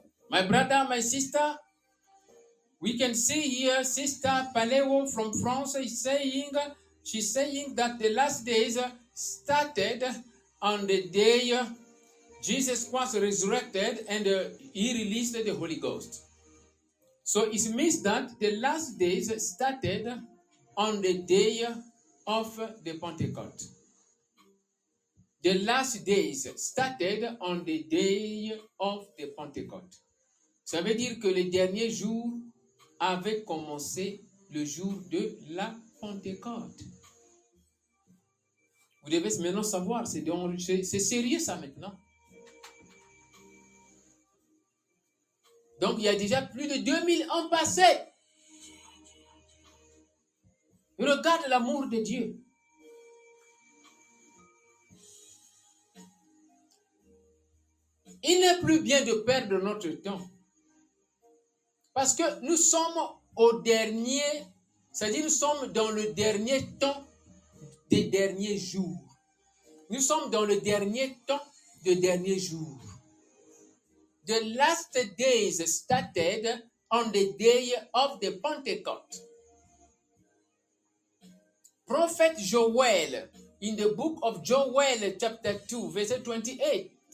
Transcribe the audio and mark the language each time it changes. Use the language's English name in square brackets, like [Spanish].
[English] My brother, my sister, we can see here Sister Paleo from France is saying, she's saying that the last days started on the day Jesus Christ resurrected and he released the Holy Ghost. So it means that the last days started on the day of the Pentecost. The last days started on the day of the Pentecost. [French] Ça veut dire que les derniers jours avaient commencé le jour de la Pentecôte. Vous devez maintenant savoir, c'est sérieux ça maintenant. Donc il y a déjà plus de 2000 ans passés. Regarde l'amour de Dieu. Il n'est plus bien de perdre notre temps. Parce que nous sommes au dernier, c'est-à-dire nous sommes dans le dernier temps des derniers jours. Nous sommes dans le dernier temps des derniers jours. [English] The last days started on the day of the Pentecost. Prophet Joel, in the book of Joel, chapter 2, verse 28.